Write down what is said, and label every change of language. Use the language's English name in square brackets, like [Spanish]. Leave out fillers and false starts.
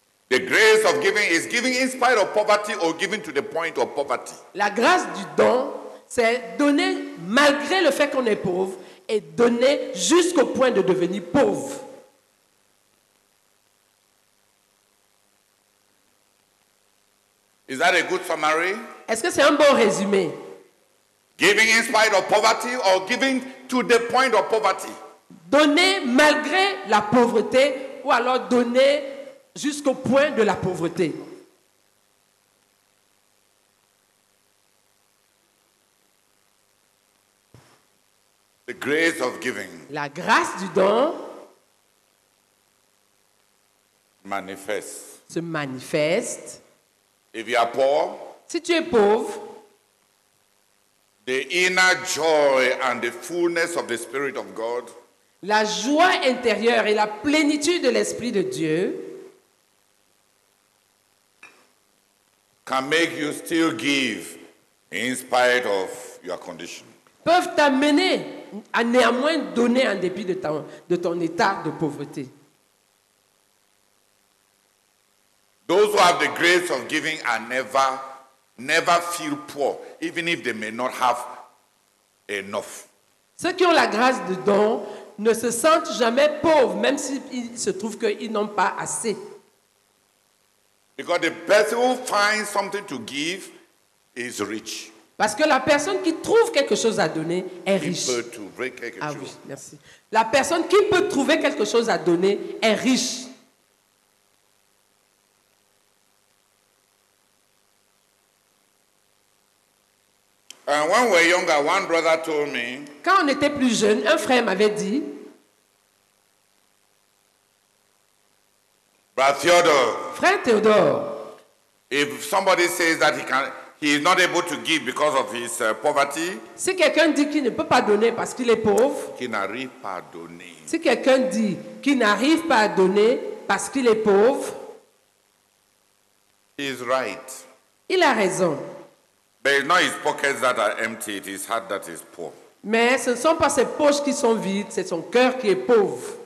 [English] The grace of giving is giving in spite of poverty or giving to the point of poverty. [French] La grâce du don, c'est donner malgré le fait qu'on est pauvre et donner jusqu'au point de devenir pauvre. [English] Is that a good summary? [French] Est-ce que c'est un bon résumé? [English] Giving in spite of poverty or giving to the point of poverty. [French] Donner malgré la pauvreté ou alors donner jusqu'au point de la pauvreté. [English] The grace of giving. [French] La grâce du don manifeste. Se manifeste. [English] If you are poor, [French] si tu es pauvre, [English] the inner joy and the fullness of the Spirit of God, [French] la joie intérieure et la plénitude de l'Esprit de Dieu [English] can make you still give in spite of your condition. [French] Peuvent t'amener à néanmoins donner en dépit de ton état de pauvreté. [English] Those who have the grace of giving are never feel poor, even if they may not have enough. [French] Ceux qui ont la grâce de don ne se sentent jamais pauvres, même s'il se trouve qu'ils n'ont pas assez. [English] Because the person who finds something to give is rich. [French] Parce que la personne qui trouve quelque chose à donner est riche. [English] Able to bring quelque [French] chose. Ah oui, merci. La personne qui peut trouver quelque chose à donner est riche. [English] And when we were younger, one brother told me, [French] quand on était plus jeune, un frère m'avait dit, [English] Brother Theodore, [French] frère Théodore, [English] if somebody says that he is not able to give because of his poverty, [French] si quelqu'un dit qu'il ne peut pas donner parce qu'il est pauvre, qu'il n'arrive pas à donner. Si quelqu'un dit qu'il n'arrive pas à donner parce qu'il est pauvre, [English] he is right. [French] Il a raison. [English] But it's not his pockets that are empty, it's his heart that is poor. [French] Mais ce ne sont pas ses poches qui sont vides, c'est son cœur qui est pauvre.